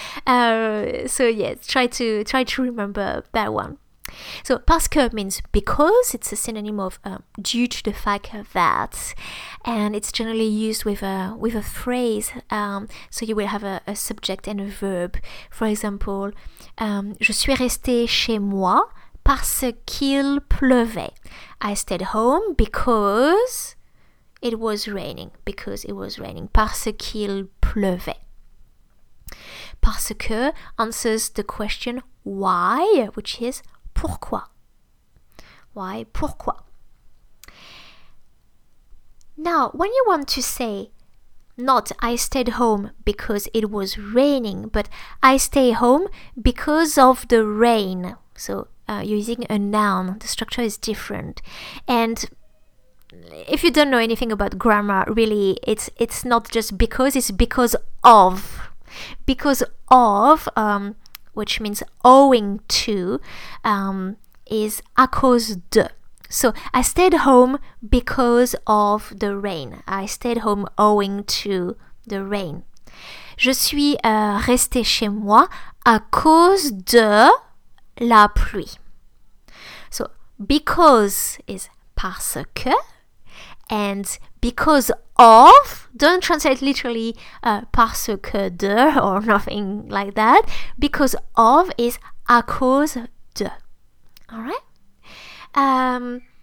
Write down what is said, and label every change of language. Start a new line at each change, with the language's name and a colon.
English: Try to remember that one. So parce que means because. It's a synonym of due to the fact that, and it's generally used with a phrase. So you will have a subject and a verb. For example,
French: je suis restée chez moi parce qu'il pleuvait.
English: I stayed home because it was raining. Because it was raining.
French: Parce qu'il pleuvait.
English: Parce que answers the question why, which is pourquoi. Why, pourquoi. Now, when you want to say not I stayed home because it was raining, but I stay home because of the rain. So, using a noun, the structure is different. And if you don't know anything about grammar, really, it's not just because, it's because of. Because of, which means owing to, is à cause de. So, I stayed home because of the rain. I stayed home owing to the rain.
French: Je suis restée chez moi à cause de la pluie.
English: So, because is parce que, and because of, don't translate literally parce que de or nothing like that. Because of is à cause de. Alright?